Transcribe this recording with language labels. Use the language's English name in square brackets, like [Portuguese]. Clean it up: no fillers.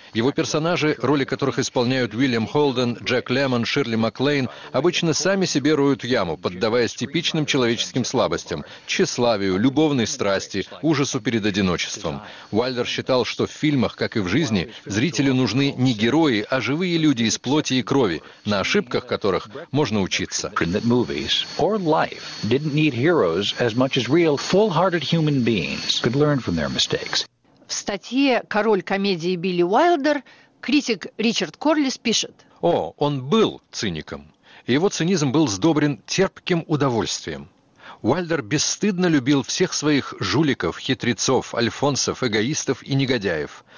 [Russian] Его персонажи, роли которых исполняют Уильям Холден, Джек Лемон, Ширли МакЛейн, обычно сами себе роют яму, поддаваясь типичным человеческим слабостям, тщеславию, любовной страсти, ужасу перед одиночеством. Уайлдер считал, что в фильмах, как и в жизни, зрителю нужны не герои, а живые люди из плоти и крови, на ошибках которых можно учиться. [English] Or life didn't need heroes as much as real, full-hearted human beings could learn from their mistakes. [Russian] В статье «Король комедии Билли Уайлдер» Критик Ричард Корлис пишет. О, он был циником. И его цинизм был сдобрен терпким удовольствием. Уайльдер бесстыдно любил всех своих жуликов, хитрецов, альфонсов, эгоистов и негодяев.